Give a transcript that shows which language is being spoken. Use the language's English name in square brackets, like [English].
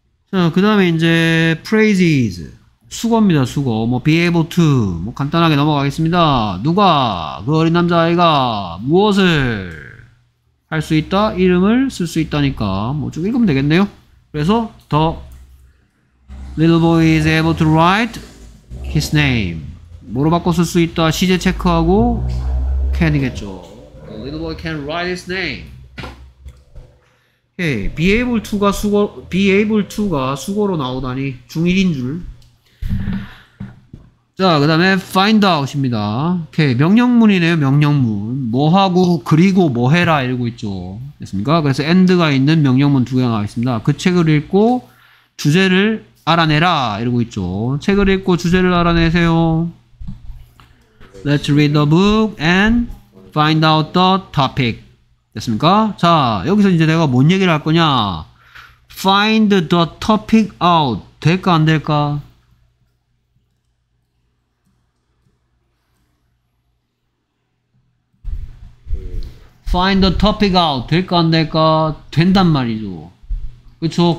[Korean] 자, 그 다음에 이제 phrases. 수거입니다, 수거. [English] 뭐 be able to. [Korean] 뭐 간단하게 넘어가겠습니다. 누가, 그 어린 남자아이가 무엇을 할 수 있다, 이름을 쓸 수 있다니까 뭐 쭉 읽으면 되겠네요. 그래서 [English] the little boy is able to write his name. [Korean] 뭐로 바꿔 쓸 수 있다, 시제 체크하고 can이겠죠. [English] The little boy can write his name. Okay. be able to [Korean] 가 수거, be able to가 수거로 나오다니 중1인 줄. 자, 그 다음에 find out입니다. 오케이, 명령문이네요. 명령문. 뭐하고 그리고 뭐해라 이러고 있죠. 됐습니까? 그래서 end가 있는 명령문 두 개가 나와있습니다. 그 책을 읽고 주제를 알아내라 이러고 있죠. 책을 읽고 주제를 알아내세요. [English] Let's read the book and find out the topic. [Korean] 됐습니까? 자, 여기서 이제 내가 뭔 얘기를 할 거냐. [English] Find the topic out. [Korean] 될까 안 될까? [English] 'Find the topic out' [Korean] 될까 안 될까? 된단 말이죠. 그쵸?